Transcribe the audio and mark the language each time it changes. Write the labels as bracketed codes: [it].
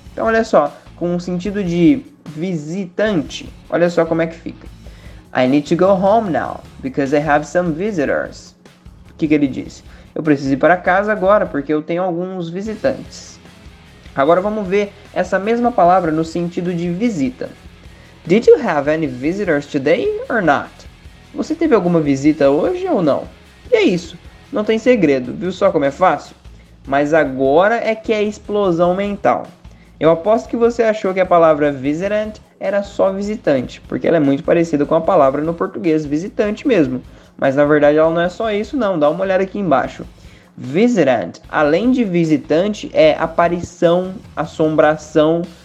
[pt] Então olha só, com o sentido de visitante, olha só como é que fica. [en] I need to go home now, because I have some visitors. [pt] O que, que ele disse? Eu preciso ir para casa agora, porque eu tenho alguns visitantes. Agora vamos ver essa mesma palavra no sentido de visita. [en] Did you have any visitors today or not? [pt] Você teve alguma visita hoje ou não? E é isso, não tem segredo, viu só como é fácil? Mas agora é que é explosão mental. Eu aposto que você achou que a palavra visitant era só visitante, porque ela é muito parecida com a palavra no português, visitante mesmo. Mas na verdade ela não é só isso não, dá uma olhada aqui embaixo. Visitant, além de visitante, é aparição, assombração.